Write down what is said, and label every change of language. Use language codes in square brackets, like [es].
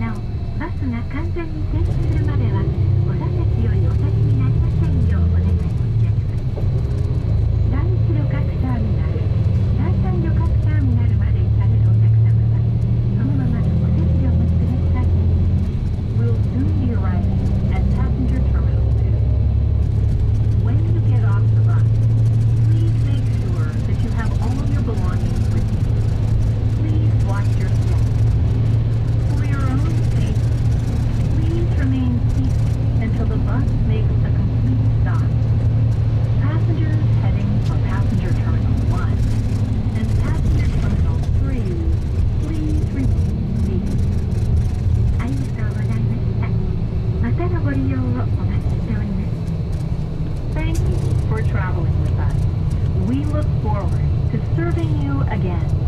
[ja] なおバスが完全に停止するまではお座席よりお立ちになりませんようお願い申し上げます。第一旅客ターミナル、第三旅客ターミナルまで行かれるお客様はそのままのお席でお待ちください。 [en] We'll soon be arriving at passenger terminal 2. When you get off the bus, please make sure that you have all of your belongings with you. Please watch your step. For your own safety, please remain seated until the bus makes a complete stop. Passengers heading for passenger terminal 1 and passenger terminal 3, please remain seated. [ja] ありがとうございました。またのご利用をお待ちしております。 [en] Thank you for traveling with us. We look forward to serving you again.